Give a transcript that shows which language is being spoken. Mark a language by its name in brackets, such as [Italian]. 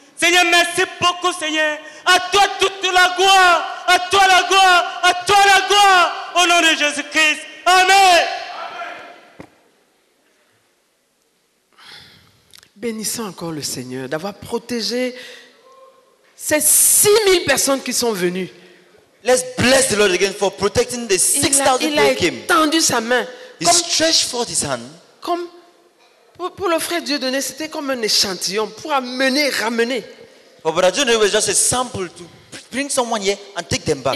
[French] Seigneur, merci beaucoup, Seigneur. À toi toute la gloire, à toi la gloire, à toi la gloire, au nom de Jésus-Christ. Amen. Bénissons encore le Seigneur d'avoir protégé ces 6000 personnes qui sont venues. [English] Let's bless the Lord again for protecting the 6000 people who came. [French] Il a tendu sa main. [English] He stretched forth his hand. [French] Comme pour le frère Dieu donné, c'était comme un échantillon pour amener, ramener. [English] But Brother Dieu donné was just a sample to bring someone here and take them back.